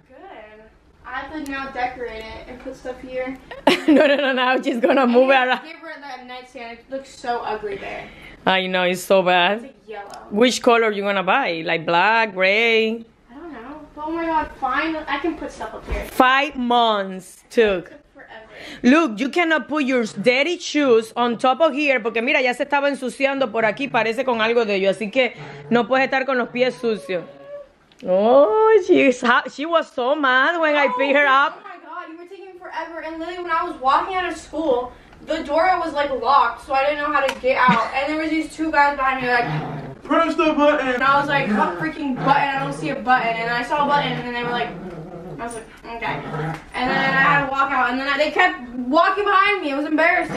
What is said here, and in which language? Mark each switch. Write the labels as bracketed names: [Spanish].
[English] Good. I have to now decorate it and put stuff here. No, now she's gonna move it around. I gave her that nightstand, it looks so ugly there. I know, it's so bad. It's like yellow. Which color are you gonna buy? Like black, gray? Oh my God, finally, I can put stuff up here. 5 months took. Look, you cannot put your dirty shoes on top of here [Spanish] porque mira, ya se estaba ensuciando por aquí, parece con algo de ello, así que no puedes estar con los pies sucios. [English] Oh, she was so mad when I picked her up. Oh my God, you were taking forever. And literally when I was walking out of school, the door was like locked, so I didn't know how to get out. And there was these two guys behind me like, press the button. And I was like, what freaking button? I don't see a button. And I saw a button, and then they were like, okay. And then I had to walk out, and then they kept walking behind me. It was embarrassing.